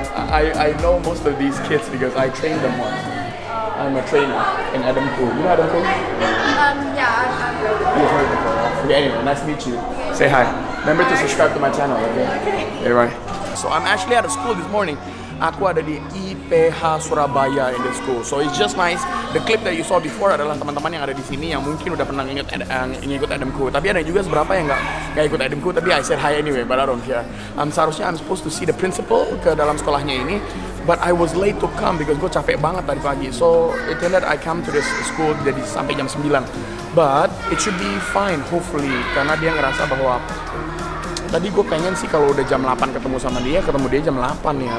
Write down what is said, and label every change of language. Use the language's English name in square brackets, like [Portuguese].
[English] I know most of these kids because I trained them once. I'm a trainer in Adam Pool. You know Adam Pool? Yeah, I'm heard of him. Okay, anyway, nice to meet you. Say hi. Remember to subscribe to my channel, okay? Okay. Hey, Ryan. So I'm actually out of school this morning. [Indonesian] Aku ada di [English] IPH Surabaya in the school. So it's just nice. The clip that you saw before [Indonesian] adalah teman-teman yang ada di sini yang mungkin udah pernah ingat ngikut Adamku. Tapi ada juga beberapa yang enggak ikut Adamku, tapi [English] I said hi anyway, but I don't care. Seharusnya I'm supposed to see the principal [Indonesian] ke dalam sekolahnya ini, [English] but I was late to come because [Indonesian] gua capek banget tadi pagi. [English] So it turned out I come to this school [Indonesian] jadi sampai jam 9. [English] But it should be fine hopefully, [Indonesian] karena dia ngerasa bahwa tadi gue pengen sih kalau udah jam 8 ketemu dia jam 8 ya.